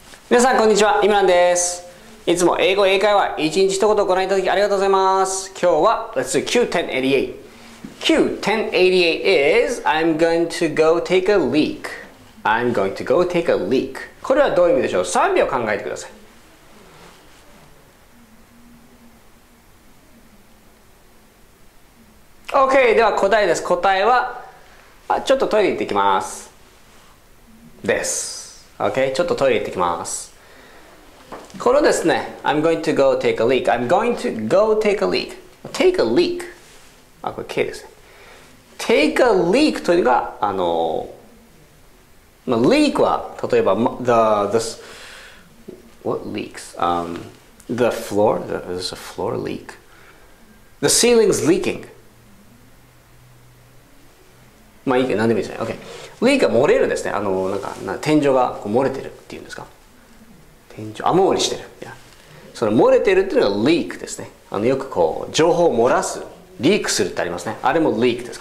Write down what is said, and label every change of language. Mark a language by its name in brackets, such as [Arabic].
[Japanese] 皆さんこんにちは、イムランです。いつも英語英会話一日一言ご覧いただきありがとうございます。今日は [English] Let's do Q1088 is I'm going to go take a leak. I'm going to go take a leak. [Japanese] これはどういう意味でしょう？3秒考えてください。 OK、では答えです。答えはちょっとトイレ行ってきますです。 OK、ちょっとトイレ行ってきます。このですね、 [English] I'm going to go take a leak. I'm going to go take a leak. Take a leak. [Japanese] あ、これ K ですね。 [English] Take a leak [Japanese] というのが、まあ、leak は、例えば、 [English] the floor leak. The ceiling's leaking. [Japanese] まあいいけど、何でもいいですね。 OK。 Leak は漏れるですね。天井がこう漏れてるっていうんですか。天井、雨漏りしてる。いや。その漏れてるっていうのが leak ですね。よくこう、情報を漏らす。 leak するってありますね。あれも leak です。